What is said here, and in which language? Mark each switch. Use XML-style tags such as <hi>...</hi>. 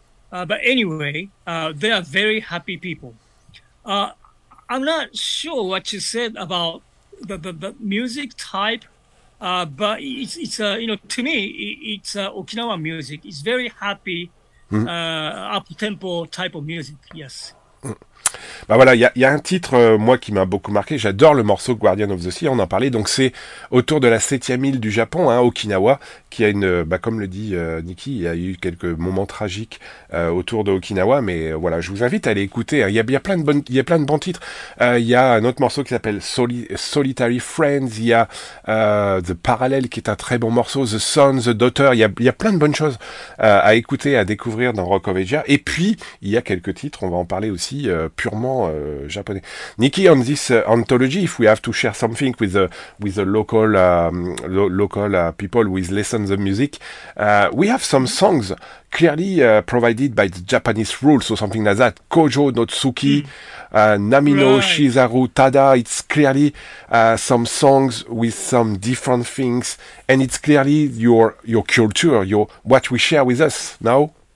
<en>But anyway, they are very happy people. I'm not sure what you said about the music type, but it's you know, to me, it's Okinawa music. It's very happy, up-tempo type of music, yes.</en> <fr>Ben voilà, il y a un titre, moi, qui m'a beaucoup marqué. J'adore le morceau Guardian of the Sea, on en parlait. Donc, c'est autour de la 7e île du Japon, hein, Okinawa, qui a une... Ben, comme le dit Nikki, il y a eu quelques moments tragiques autour de Okinawa. Mais voilà, je vous invite à aller écouter. Hein. Il y a plein de bons titres. Il y a un autre morceau qui s'appelle Solitary Friends. Il y a The Parallel, qui est un très bon morceau. The Son, The Daughter. Il y a plein de bonnes choses à écouter, à découvrir dans Rock of Asia. Et puis, il y a quelques titres, on va en parler aussi, purement japonais.</fr> <en>Nikki, on this anthology, if we have to share something with the local people who listen to the music, we have some songs clearly provided by the Japanese rules or something like that. Kojo Notsuki, Namino right. Shizaru Tada, it's clearly some songs with some different things, and it's clearly your culture, your what we share with us now.</en>